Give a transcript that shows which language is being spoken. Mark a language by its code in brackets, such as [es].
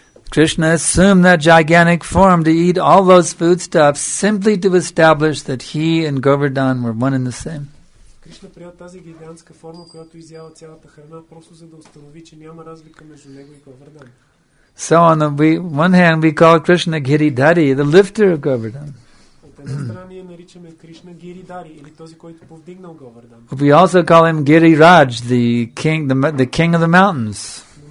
[en] Krishna assumed that gigantic form to eat all those foodstuffs simply to establish that he and Govardhan were one and the same. [bg] Krishna приел тази гигантска форма, която изява цялата храна, просто за да установи, че няма разлика между него и Govardhan. [en] So on the one hand we call Krishna Giridhari, the lifter of Govardhan. [bg] От една страна ние наричаме Кришна Гиридари, или този, който повдигнал Govardhan. [en] We also call him Giriraj, the king of the mountains.